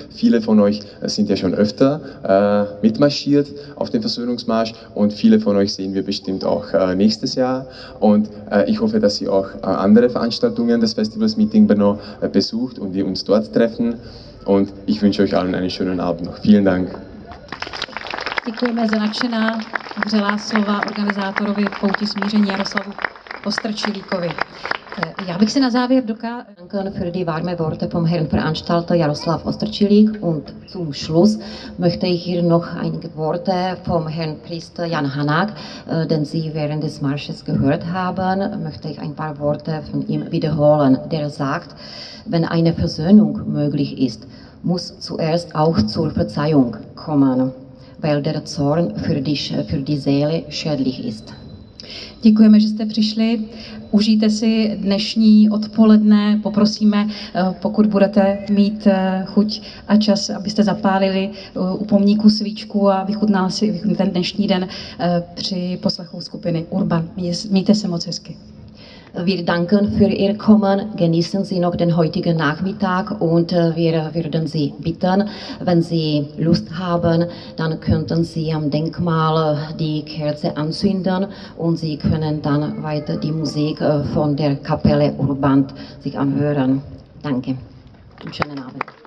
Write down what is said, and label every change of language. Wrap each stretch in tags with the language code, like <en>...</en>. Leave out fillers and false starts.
<de>Viele von euch sind ja schon öfter mitmarschiert auf dem Versöhnungsmarsch und viele von euch sehen wir bestimmt auch nächstes Jahr. Und ich hoffe, dass Sie auch andere Veranstaltungen des Festivals Meeting Brno besucht und wir uns dort treffen. Und ich wünsche euch allen einen schönen Abend noch. Vielen Dank.</de> <cs>Děkujeme za nadšená vřelá slova organizátorovi Pouti smíření Jaroslavu Ostrčilíkovi. Já bych si na závěr dokázal...</cs> <de>Danken für die warme Worte vom Herrn Veranstalter Jaroslav Ostrčilík und zum Schluss möchte ich hier noch einige Worte vom Herrn Priester Jan Hanák, den Sie während des Marsches gehört haben, möchte ich ein paar Worte von ihm wiederholen, der sagt, wenn eine Versöhnung möglich ist, muss zuerst auch zur Verzeihung kommen. Weil der Zorn für die Seele schädlich ist.</de> <cs>Děkujeme, že jste přišli. Užijte si dnešní odpoledne. Poprosíme, pokud budete mít chuť a čas, abyste zapálili u pomníku svíčku a vychutnal si ten dnešní den při poslechu skupiny Urban. Mějte se moc hezky.</cs> <de>Wir danken für Ihr Kommen. Genießen Sie noch den heutigen Nachmittag und wir würden Sie bitten, wenn Sie Lust haben, dann könnten Sie am Denkmal die Kerze anzünden und Sie können dann weiter die Musik von der Kapelle Urban sich anhören. Danke. Einen schönen Abend.</de>